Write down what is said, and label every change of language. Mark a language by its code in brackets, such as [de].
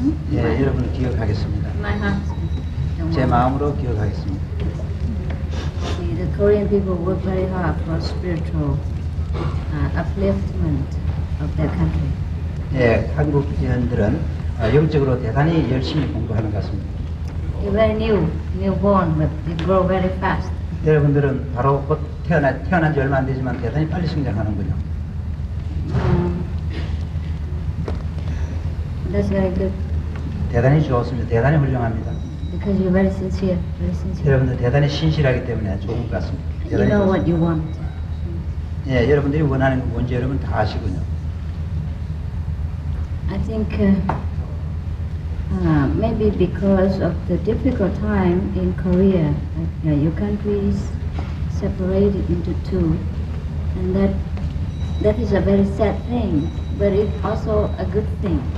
[ko] 네, 여러분을 기억하겠습니다. [en] My heart. [ko] 제 마음으로 기억하겠습니다. [en] See, the Korean people work very hard for spiritual upliftment of their country. [ko] 네, 한국인들은 영적으로 대단히 열심히 공부하는 것 같습니다. [en] You're very newborn, but you grow very fast. [ko] 여러분들은 바로 곧 태어난 지 얼마 안 되지만 대단히 빨리 성장하는군요. [en] That's very good. [ko] 대단히 좋습니다. 대단히 훌륭합니다. [en] Because you're very sincere, very sincere. [ko] 여러분들 대단히 신실하기 때문에 좋은 것 같습니다. [en] You know [ko] 좋습니다. [en] What you want. [ko] 예, 네, 여러분들이 원하는 건 뭔지 여러분 다 아시군요. [en] I think. Maybe because of the difficult time in Korea, your country is separated into two, and that is a very sad thing, but it's also a good thing.